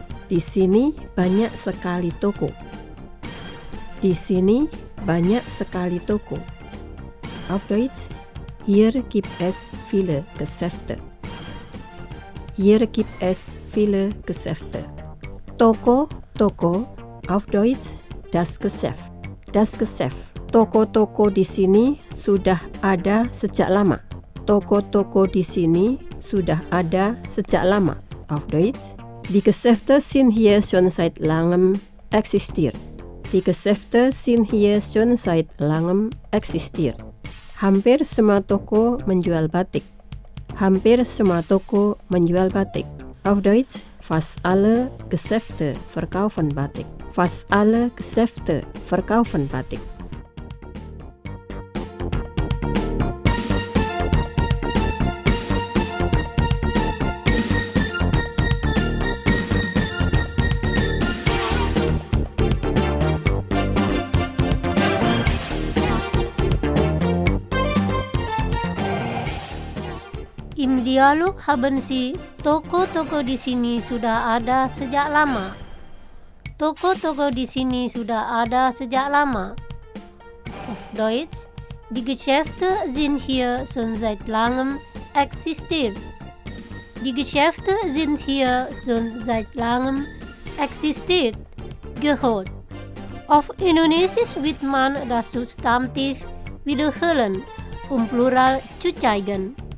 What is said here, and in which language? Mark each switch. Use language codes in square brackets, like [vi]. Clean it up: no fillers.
[id] Di sini banyak sekali toko. Di sini banyak sekali toko. [de] Auf Deutsch, hier gibt es viele Geschäfte. Hier gibt es viele Geschäfte. Toko, toko. Auf Deutsch, das Geschäft. Das Geschäft. [id] Toko-toko di sini sudah ada sejak lama. Toko-toko di sini sudah ada sejak lama. [de] Auf Deutsch, die Geschäfte sind hier schon seit langem existiert. Die Geschäfte sind hier schon seit langem existiert. [id] Hampir semua toko menjual batik. Hampir semua toko menjual batik. [de] Auf Deutsch, fast alle Geschäfte verkaufen batik. Fast alle Geschäfte verkaufen batik. Im Dialog haben Sie [id] toko-toko di sini sudah ada sejak lama. Toko-toko di sini sudah ada sejak lama. [de] Auf Deutsch, die Geschäfte sind hier schon seit langem existiert. Die Geschäfte sind hier schon seit langem existiert. Gehört. Auf Indonesisch wird man das Substantiv wiederholen, um Plural zu zeigen.